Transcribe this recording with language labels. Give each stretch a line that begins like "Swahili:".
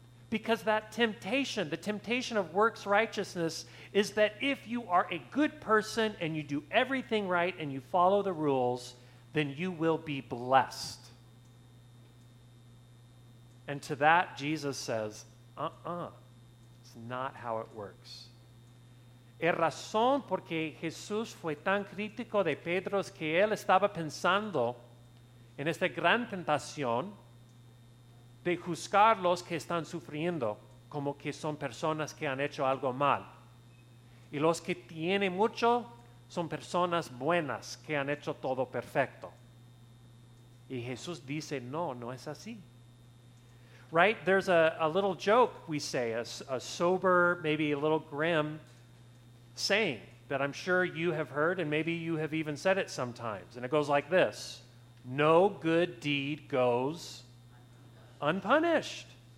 English: Because that temptation, the temptation of works righteousness, is that if you are a good person and you do everything right and you follow the rules, then you will be blessed. And to that, Jesus says, it's not how it works.
Spanish: El razón por qué Jesús fue tan crítico de Pedro es que él estaba pensando en esta gran tentación de juzgar los que están sufriendo como que son personas que han hecho algo mal. Y los que tienen mucho son personas buenas que han hecho todo perfecto. Y Jesús dice, no, no es así.
English: Right? There's a little joke we say, a sober, maybe a little grim saying that I'm sure you have heard and maybe you have even said it sometimes. And it goes like this. No good deed goes unpunished.